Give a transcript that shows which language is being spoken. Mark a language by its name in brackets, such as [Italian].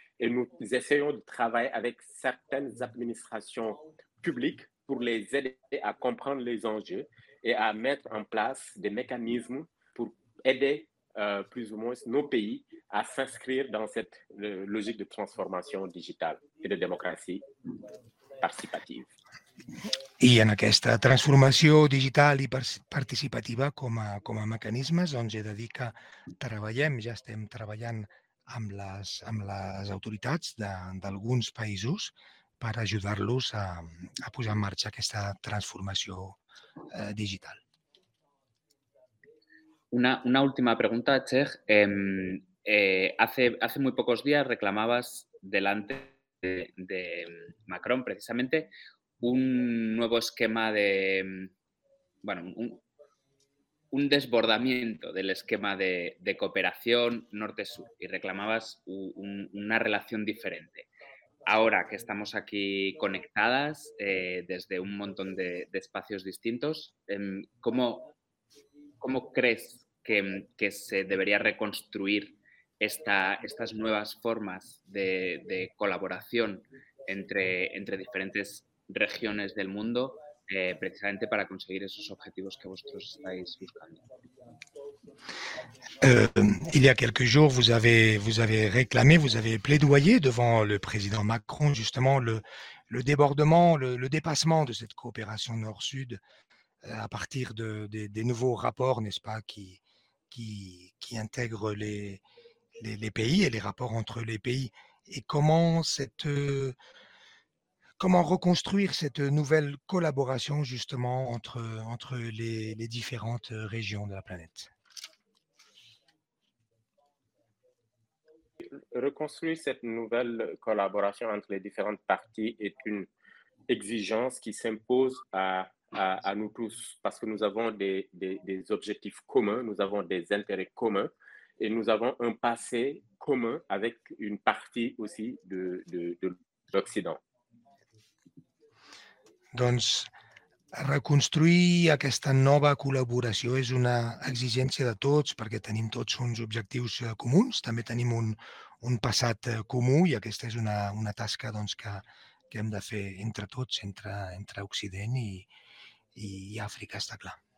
[French] Et nous essayons de travailler avec certaines administrations publiques pour les aider à comprendre les enjeux et à mettre en place des mécanismes pour aider plus ou moins nos pays à s'inscrire dans cette logique de transformation digitale et de démocratie participative. [Catalan] I en aquesta transformació digital i participativa com a mecanismes, doncs he de dir que treballem, ja estem treballant amb les autoritats d'alguns països per ajudar-los a posar en marxa aquesta transformació digital. [Spanish] Una última pregunta, Txec. Hace muy pocos días reclamabas delante de Macron precisamente un nuevo esquema de, bueno, un desbordamiento del esquema de cooperación norte-sur y reclamabas una relación diferente. Ahora que estamos aquí conectadas desde un montón de espacios distintos, ¿cómo crees que se debería reconstruir estas nuevas formas de colaboración entre diferentes regiones del mundo precisamente para conseguir esos objetivos que vosotros estáis buscando? [French] Il y a quelques jours, vous avez réclamé, vous avez plaidoyé devant le président Macron justement le débordement, le dépassement de cette coopération nord-sud à partir des nouveaux rapports, n'est-ce pas, qui intègrent les pays et les rapports entre les pays. Et comment reconstruire cette nouvelle collaboration justement entre les différentes régions de la planète? Reconstruire cette nouvelle collaboration entre les différentes parties est une exigence qui s'impose à nous tous parce que nous avons des objectifs communs, nous avons des intérêts communs et nous avons un passé commun avec une partie aussi de l'Occident. [Catalan] Doncs reconstruir aquesta nova col·laboració és una exigència de tots perquè tenim tots uns objectius comuns, també tenim un passat comú i aquesta és una tasca doncs, que hem de fer entre tots, entre Occident i Àfrica, està clar.